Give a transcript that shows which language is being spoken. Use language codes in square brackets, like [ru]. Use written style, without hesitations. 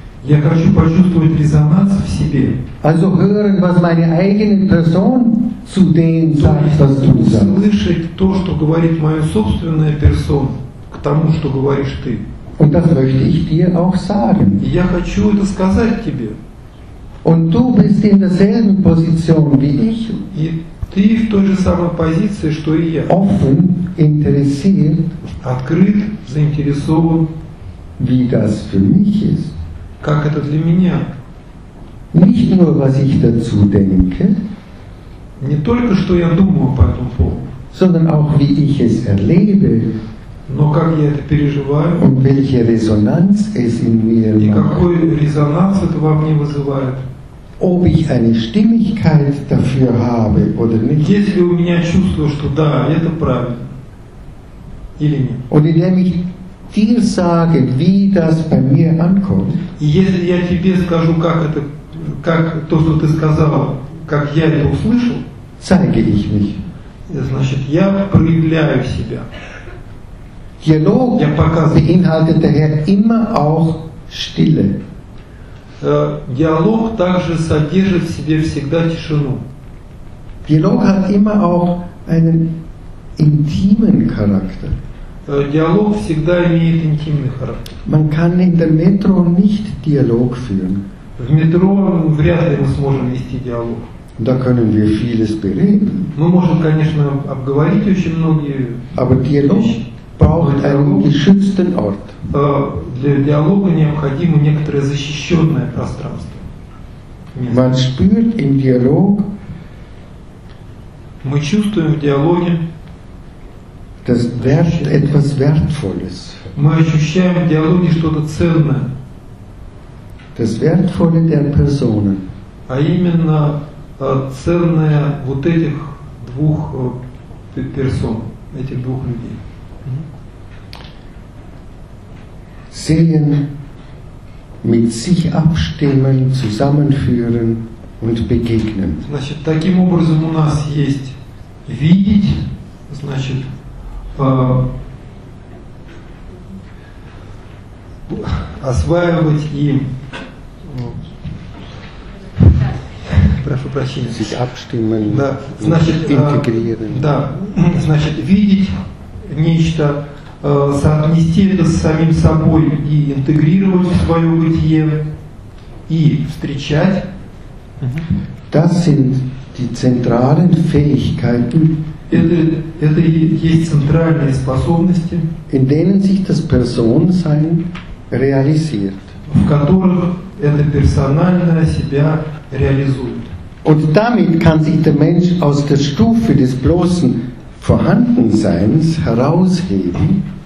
[ru] Я хочу почувствовать резонанс в себе. [de] Also hören, was meine eigene Person zu dem sagt, was du sagst. [ru] Слышать то, что говорит моя собственная персона, к тому, что говоришь ты. [de] Und das möchte ich dir auch sagen. [ru] Я хочу это сказать тебе. [de] Und du bist in derselben Position wie ich. [ru] И ты в той же самой позиции, что и я. [de] Offen, interessiert, [ru] открыт, заинтересован, [de] wie das für mich ist. [ru] Как это для меня. [de] Nicht nur, was ich dazu denke, [ru] не только, что я думаю по этому поводу, [de] sondern auch, wie ich es erlebe, [ru] но как я это переживаю, [de] und welche Resonanz es in mir [ru] и какой резонанс это во мне вызывает. [de] Ob ich eine Stimmigkeit dafür habe oder nicht. [ru] Если у меня чувство, что да, это правильно. Или нет. [de] Und indem ich dir sage, wie das bei mir ankommt. [ru] И если я тебе скажу, как это, как то, что ты сказал, как я это услышал, [de] zeige ich mich. [ru] Значит, я проявляю себя. [de] Dialog beinhaltet daher immer auch Stille. [ru] Диалог также содержит в себе всегда тишину. [de] Dialog hat immer auch einen intimen Charakter. [ru] Диалог всегда имеет интимный характер. [de] Man kann in der Metro nicht Dialog führen. [ru] В метро вряд ли мы сможем вести диалог. [de] Da können wir vieles bereden. [ru] Мы можем, конечно, обговорить очень многие [de] Aber Dialog [ru] вещи. [de] Braucht einen geschützten Ort. [ru] Для диалога необходимо некоторое защищенное пространство. Место. [de] Man spürt im Dialog, [ru] мы чувствуем в диалоге, [de] dass wert, etwas Wertvolles. [ru] Мы ощущаем в диалоге что-то ценное. [de] Das Wertvolle der Personen. [ru] А именно ценное вот этих двух персон, этих двух людей. [de] Sehen, mit sich abstimmen, zusammenführen und begegnen. [ru] Значит, таким образом у нас есть видеть, значит, осваивать и прошу прощения. [de] Sich abstimmen, [ru] да, значит, интегрировать. Да, значит, видеть нечто. Соотнести это с самим собой и интегрировать в свое бытие и встречать. [de] Das sind die zentralen Fähigkeiten, [ru] это есть центральные способности, [de] in denen sich das Personsein realisiert. [ru] В которых это персональное себя реализует. [de] Und damit kann sich der Mensch aus der Stufe des bloßen Vorhandenseins herausheben.